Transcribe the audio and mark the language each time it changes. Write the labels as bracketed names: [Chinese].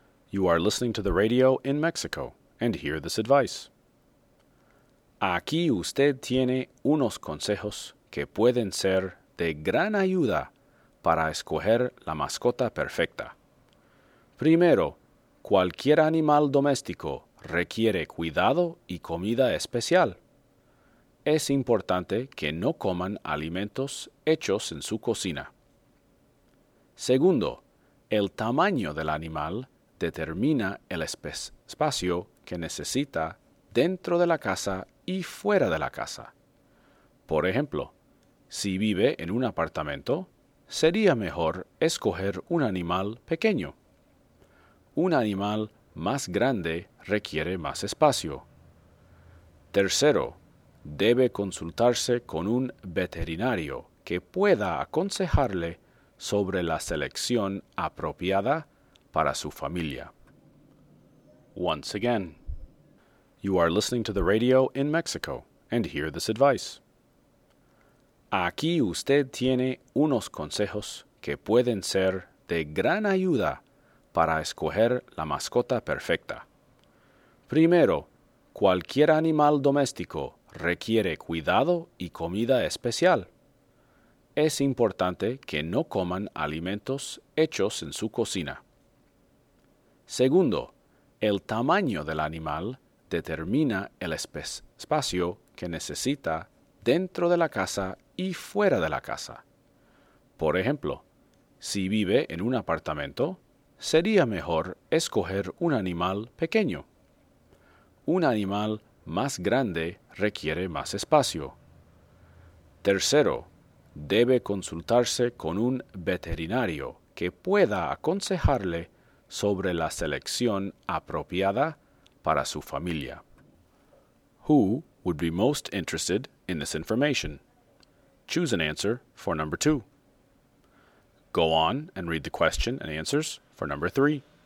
[English] You are listening to the radio in Mexico, and hear this advice. [Spanish] Aquí usted tiene unos consejos que pueden ser de gran ayuda para escoger la mascota perfecta. Primero, cualquier animal doméstico requiere cuidado y comida especial. Es importante que no coman alimentos hechos en su cocina. Segundo, el tamaño del animal determina el espacio que necesita dentro de la casa y fuera de la casa. Por ejemplo, si vive en un apartamento, sería mejor escoger un animal pequeño. Un animal más grande requiere más espacio. Tercero, debe consultarse con un veterinario que pueda aconsejarle sobre la selección apropiada para su familia. [English] Once again, you are listening to the radio in Mexico, and hear this advice. [Spanish] Aquí usted tiene unos consejos que pueden ser de gran ayuda para escoger la mascota perfecta. Primero, cualquier animal doméstico requiere cuidado y comida especial. Es importante que no coman alimentos hechos en su cocina. Segundo, el tamaño del animal determina el espacio que necesita dentro de la casa y fuera de la casa. Por ejemplo, si vive en un apartamento, sería mejor escoger un animal pequeño. Un animal más grande requiere más espacio. Tercero, debe consultarse con un veterinario que pueda aconsejarle sobre la selección apropiada para su familia. [English] Who would be most interested in this information? Choose an answer for number two. Go on and read the question and answers for number three.